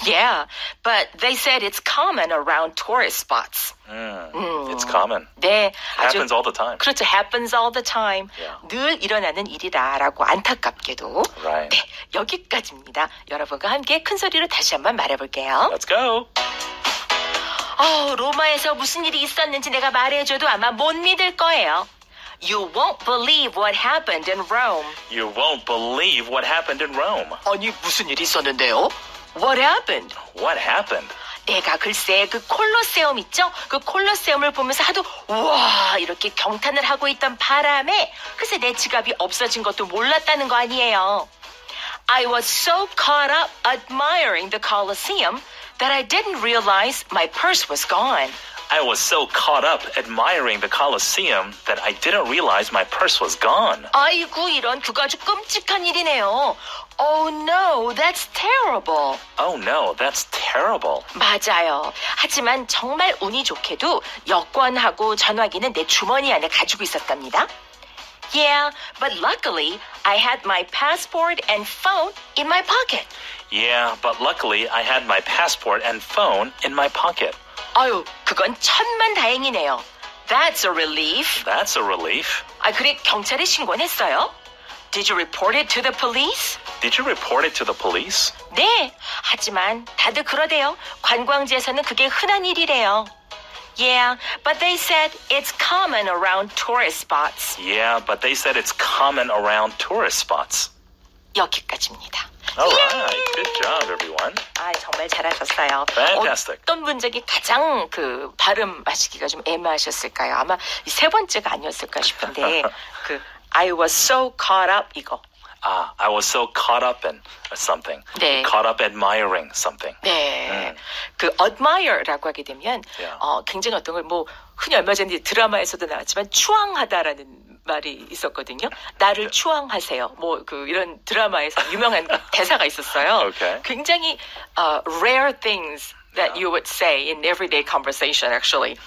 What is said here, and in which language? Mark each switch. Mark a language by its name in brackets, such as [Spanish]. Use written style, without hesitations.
[English] Yeah, but they said it's common around tourist spots. It's common. [Korean] 네, [English] it happens all the time. [Korean] 그렇죠, [English] happens all the time. Yeah. [Korean] 늘 일어나는 일이다라고 안타깝게도. [English] Right. [Korean] 네, 여기까지입니다. 여러분과 함께 큰 소리로 다시 한번 말해볼게요. [English] Let's go. [Korean] 로마에서 무슨 일이 있었는지 내가 말해줘도 아마 못 믿을 거예요. [English] You won't believe what happened in Rome. You won't believe what happened in Rome. [Korean] 아니, 무슨 일이 있었는데요? [English] What happened? What happened? [Korean] 내가 글쎄 그 콜로세움 있죠? 그 콜로세움을 보면서 하도 와 이렇게 경탄을 하고 있던 바람에 글쎄 내 지갑이 없어진 것도 몰랐다는 거 아니에요. [English] I was so caught up admiring the Colosseum that I didn't realize my purse was gone. I was so caught up admiring the Colosseum that I didn't realize my purse was gone. [Korean] 아이고, 이런 그거 아주 끔찍한 일이네요. [English] Oh no, that's terrible. Oh no, that's terrible. [Korean] 맞아요. 하지만 정말 운이 좋게도 여권하고 전화기는 내 주머니 안에 가지고 있었답니다. [English] Yeah, but luckily, I had my passport and phone in my pocket. Yeah, but luckily, I had my passport and phone in my pocket. [Korean] 아유, 그건 천만 다행이네요. [English] That's a relief. That's a relief. [Korean] 아, 그래, 경찰에 신고는 했어요? [English] Did you report it to the police? Did you report it to the police? [Korean] 네, 하지만 다들 그러대요. 관광지에서는 그게 흔한 일이래요. [English] Yeah, but they said it's common around tourist spots. Yeah, but they said it's common around tourist spots. [Korean] 여기까지입니다. [English] All right, good job, everyone. [Korean] 아, 정말 잘하셨어요. [English] Fantastic. [Korean] 어떤 문장이 가장 그 발음하시기가 좀 애매하셨을까요? 아마 세 번째가 아니었을까 싶은데 그 [English] I was so caught up [Korean] 이거. [English] I was so caught up in something. [Korean] 네. [English] Caught up admiring something. [Korean] 네. Mm. 그 admire라고 하게 되면 yeah. 굉장히 어떤 걸 뭐 흔히 얼마 전에 드라마에서도 나왔지만 추앙하다라는 말이 있었거든요. 나를 추앙하세요. 뭐 그 이런 드라마에서 유명한 대사가 있었어요. [English] Okay. [Korean] 굉장히 [English] rare things that yeah. you would say in everyday conversation actually.